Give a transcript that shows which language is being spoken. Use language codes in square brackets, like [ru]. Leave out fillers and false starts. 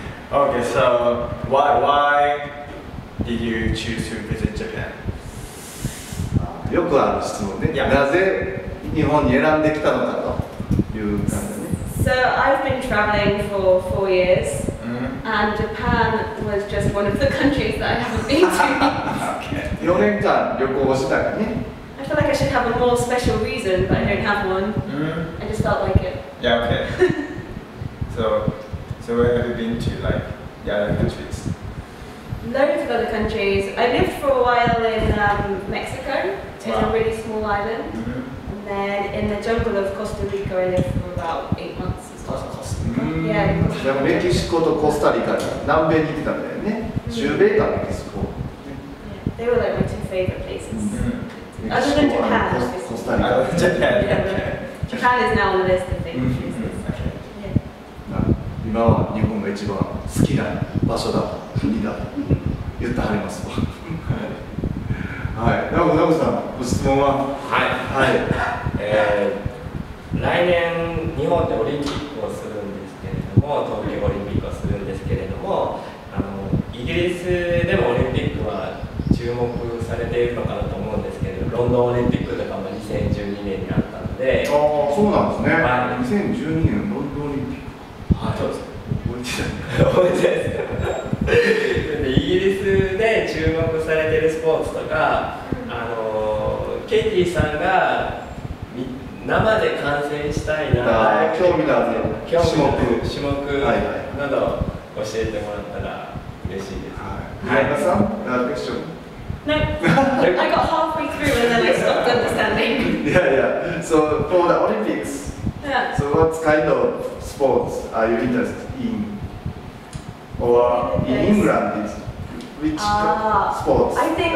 [en] Okay, so why did you choose to visit Japan? [ja] よくある質問ね。 [en] Yeah. [ja] なぜ日本に選んできたのかという感じね。 [en] So I've been traveling for 4 years、 mm-hmm. and Japan was just one of the countries that I haven't been to. Okay. [ja] 4年間旅行をしたからね。 [en] I feel like I should have a more special reason, but I don't have one. Mm-hmm. I just felt like it. Yeah, okay. So where have you been to, like, the other countries? Loads of other countries. I lived for a while in Mexico. It's wow. a really small island. Mm-hmm. And then in the jungle of Costa Rica, I lived for about 8 months as well. Costa Rica. Mm-hmm. Yeah, in Costa Rica. Mexico and Costa Rica, [ja] 南米に行ってたんだよね。中米か、メキシコ。 [en] They were like my two favorite places. Mm-hmm. Other than Japan, obviously. Costa Rica. Japan. Japan is now on the list of favorite places. Mm-hmm. [ja] 今は日本が一番好きな場所だ、国だと言ってはりますわ。はい、なおさん、ご質問は。はい、はい、来年日本でオリンピックをするんですけれども、東京オリンピックをするんですけれども、イギリスでもオリンピックは注目されているのかなと思うんですけれども、ロンドンオリンピックとかも2012年にあったので。ああ、そうなんですね、はい、 2012年ロンドンオリンピック。あ、そうです。覚えてたね。覚えてたね。イギリスで注目されてるスポーツとか、ケイティさんが生で観戦したいな、興味のある種目、はいはい、など教えてもらったら嬉しいです。はい。はい、皆さん、何でしょう。 [en] No, I got halfway through and then I stopped understanding. Yeah, yeah. So for the Olympics. Yeah. So what kind of sports are you interested in? Or in England, which sports I think